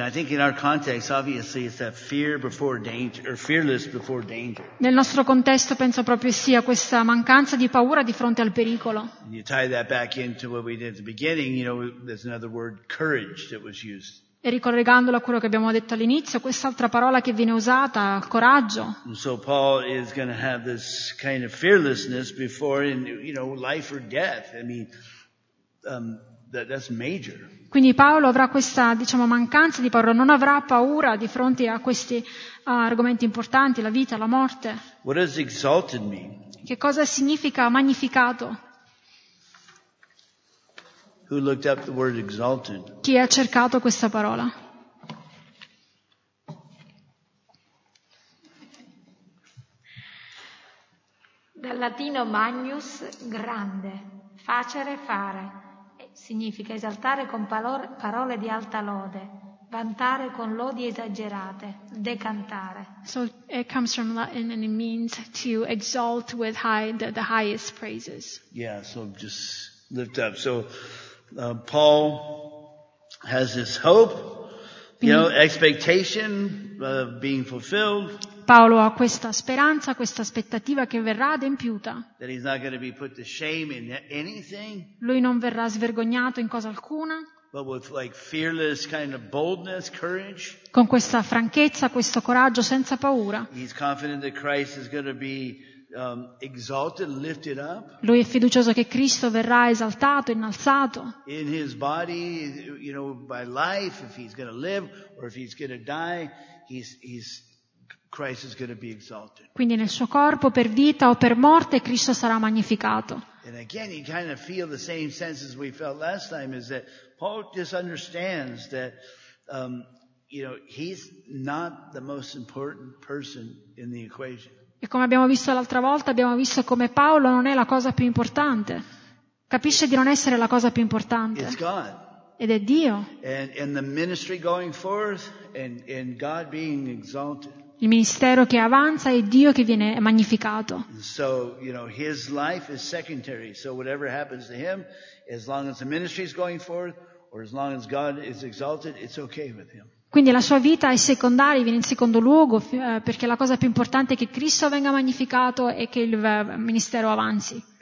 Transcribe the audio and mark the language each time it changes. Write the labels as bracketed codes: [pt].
[en] I think in our context, obviously, it's that fear before danger, or fearless before danger. [it] Nel nostro contesto penso proprio sia questa mancanza di paura di fronte al pericolo. [en] And you tie that back into what we did at the beginning. You know, there's another word, courage, that was used. [it] E ricollegandolo a quello che abbiamo detto all'inizio, quest'altra parola che viene usata, coraggio. [en] So Paul is going to have this kind of fearlessness before, you know, life or death. I mean, that's major. [it] Quindi Paolo avrà questa, diciamo, mancanza di paura, non avrà paura di fronte a questi argomenti importanti, la vita, la morte. [en] What does exalted mean? [it] Che cosa significa magnificato? [en] Who looked up the word exalted? [it] Chi ha cercato questa parola? Dal latino magnus, grande, facere, fare, significa esaltare con parole di alta lode, vantare con lodi esagerate, decantare. [en] So it comes from Latin and it means to exalt with the highest praises. Yeah, so just lift up. So Paul has this hope [it] Quindi, [en] you know, expectation being fulfilled. [it] Paolo ha questa speranza, questa aspettativa che verrà adempiuta. [en] That he's not going to be put to shame in anything. [it] Lui non verrà svergognato in cosa alcuna. [en] But with like fearless kind of boldness, courage. [it] Con questa franchezza, questo coraggio, senza paura. [en] He's confident that Christ is going to be exalted, lifted up. [it] Lui è fiducioso che Cristo verrà esaltato, innalzato. [en] In his body, you know, by life, if he's going to live or if he's going to die, he's Christ is going to be exalted. [it] Quindi nel suo corpo, per vita o per morte, Cristo sarà magnificato. [en] And again, you kind of feel the same sense as we felt last time, is that Paul just understands that, you know, he's not the most important person in the equation. [it] E come abbiamo visto l'altra volta, abbiamo visto come Paolo non è la cosa più importante. Capisce di non essere la cosa più importante. [en] It's God. [it] Ed è Dio. [en] And the ministry going forth and God being exalted. [it] Il ministero che avanza è Dio che viene magnificato. [en] So, you know, his life is secondary. So whatever happens to him, as long as the ministry is going forth or as long as God is exalted, it's okay with him. [it] Quindi la sua vita è secondaria, viene in secondo luogo, perché la cosa più importante è che Cristo venga magnificato e che il ministero avanzi.